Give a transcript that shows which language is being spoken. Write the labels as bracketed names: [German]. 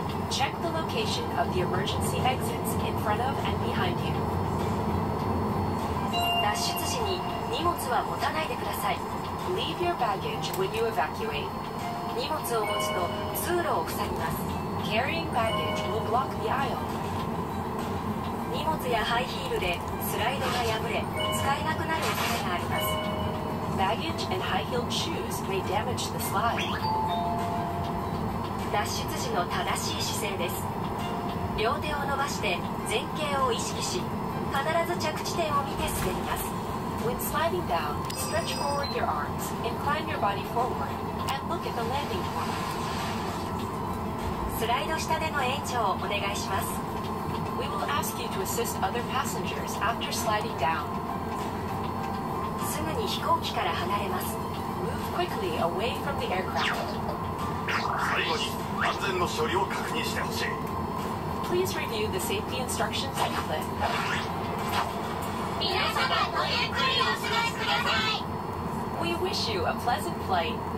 [English] Check the location of the emergency exits in front of and behind you. [Japanese] 脱出時に荷物は持たないでください。 [English] Leave your baggage when you evacuate. [Japanese] 荷物を持つと通路を塞ぎます。 [English] Carrying baggage will block the aisle. [Japanese] 荷物やハイヒールでスライドが破れ、使えなくなる恐れがあります。 [English] Baggage and high-heeled shoes may damage the slide. [Japanese] 脱出時の正しい姿勢です。両手を伸ばして前傾を意識し、必ず着地点を見て滑ります。 [English] When sliding down, stretch forward your arms, incline your body forward, and look at the landing point. [Japanese] スライド下での援助をお願いします。 [English] We will ask you to assist other passengers after sliding down. [Japanese] すぐに飛行機から離れます。 [English] Move quickly away from the aircraft. [Japanese] 最後に安全の処理を確認してほしい。 [English] Please review the safety instructions leaflet. [Japanese] 皆様ごゆっくりお過ごしください。 [English] We wish you a pleasant flight.